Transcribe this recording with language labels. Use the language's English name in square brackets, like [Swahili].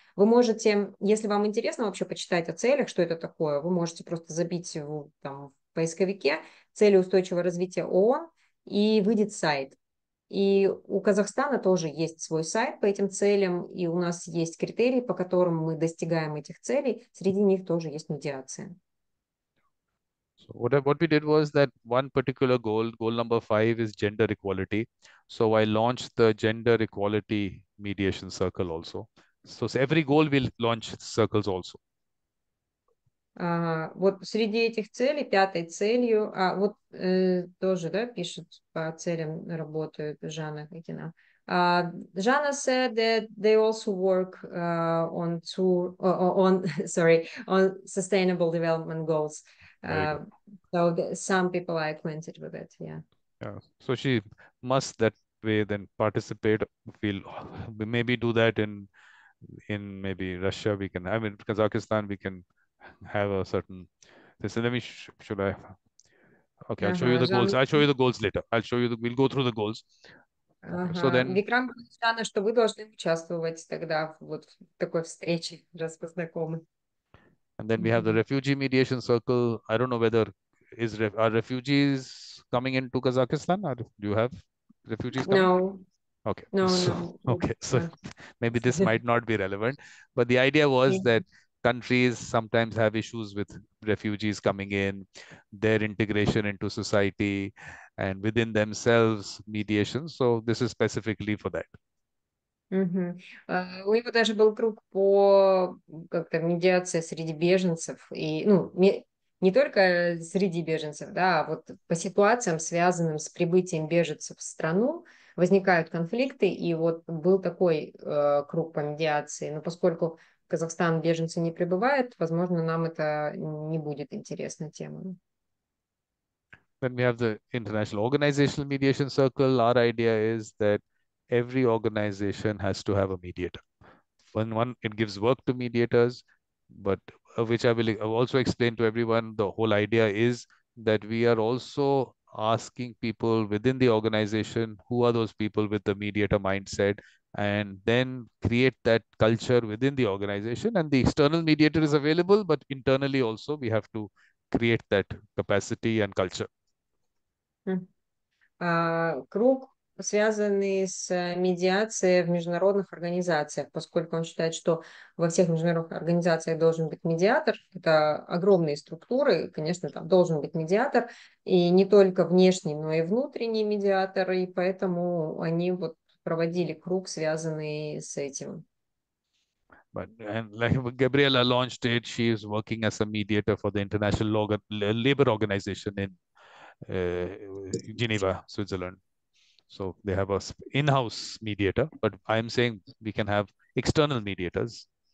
[Russian] Вы можете, если вам интересно вообще почитать о целях, что это такое, вы можете просто забить его, там, в поисковике «Цели устойчивого развития ООН» и выйдет сайт. И у Казахстана тоже есть свой сайт по этим целям, и у нас есть критерии, по которым мы достигаем этих целей. Среди них тоже есть медиация. [English] So what we did was that one particular goal number 5 is gender equality. So I launched the gender equality mediation circle also. So every goal will launch circles also. [Russian] Вот среди этих целей, пятой целью, тоже, да, пишут по целям, работают Жанна Хакина. [English] Жанна said that they also work on two, on sorry, on sustainable development goals. Very good. Some people are acquainted with it, yeah. Yeah. So she must that way then participate. We'll maybe do that in maybe Russia. We can, I mean, Kazakhstan, we can have a certain this. Let me, should I? Okay, I'll show you the goals. I'll show you the goals later. I'll show you the, we'll go through the goals. So then. [Russian] Викрам, Жанна, что вы должны участвовать тогда вот в такой встрече, раз познакомы. [English] And then we have the refugee mediation circle. I don't know whether is ref are refugees coming into Kazakhstan, or do you have refugees coming? No, Okay, so no, no, maybe this no. might not be relevant, but the idea was Yeah. that countries sometimes have issues with refugees coming in, their integration into society, and within themselves mediation. So this is specifically for that. [Russian] У него даже был круг по как-то медиации среди беженцев и ну, не только среди беженцев, да, а вот по ситуациям, связанным с прибытием беженцев в страну, возникают конфликты, и вот был такой круг по медиации. Но поскольку в Казахстан беженцы не прибывают, возможно, нам это не будет интересна тема. [English] Then we have the International Organizational Mediation Circle. Our idea is that every organization has to have a mediator. One, it gives work to mediators, but which I will also explain to everyone, the whole idea is that we are also asking people within the organization who are those people with the mediator mindset, and then create that culture within the organization. And the external mediator is available, but internally also we have to create that capacity and culture. [Russian] Круг, связанный с медиацией в международных организациях, поскольку он считает, что во всех международных организациях должен быть медиатор. Это огромные структуры, конечно, там должен быть медиатор, и не только внешний, но и внутренний медиатор, и поэтому они вот проводили круг, связанный с этим. [English] But and like Gabriela launched it, she is working as a mediator for the International Labor Organization in Geneva, Switzerland. So they have a in-house mediator, but I'm saying we can have external mediators.